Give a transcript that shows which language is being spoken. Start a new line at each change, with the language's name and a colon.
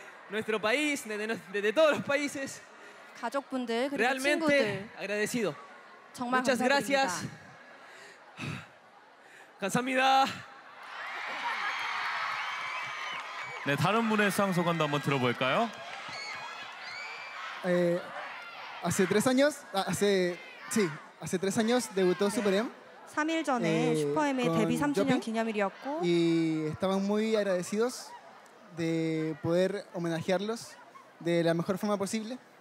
Spanish: Nuestro país, desde todos los países.
Korean: 가족분들 그리고 친구들.
Spanish: Realmente agradecido.
Korean: 정말
Spanish: Muchas gracias.
Korean: 감사합니다. 네, 다른 분의 수상 소감도 한번 들어볼까요?
Spanish: Hace tres años, hace sí, hace tres años debutó SuperM.
Korean: 3일 전에 슈퍼엠의 데뷔 3주년 기념일이었고.
Spanish: Y estaban muy agradecidos de poder homenajearlos de la mejor forma posible.